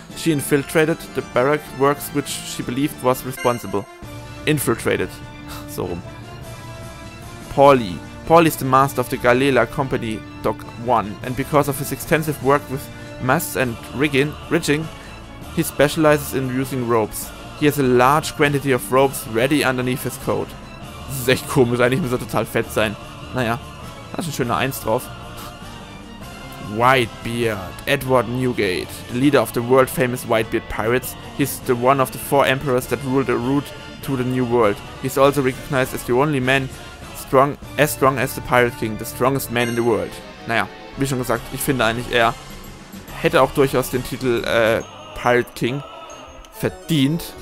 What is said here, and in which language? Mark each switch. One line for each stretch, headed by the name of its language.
English: She infiltrated the barrack works which she believed was responsible. Infiltrated.
German: So rum.
English: Pauly. Pauly is the master of the Galela Company Dock 1, and because of his extensive work with masts and rigging, he specializes in using ropes. He has a large quantity of ropes ready underneath his coat.
German: Das ist echt komisch, eigentlich muss er total fett sein. Naja, da ist ein schöner 1 drauf. Whitebeard.
English: Edward Newgate, the leader of the world famous Whitebeard Pirates. He's the one of the four emperors that ruled the route to the new world. He's also recognized as the only man strong as the Pirate King, the strongest man in the world.
German: Naja, wie schon gesagt, ich finde eigentlich, er hätte auch durchaus den Titel Pirate King verdient.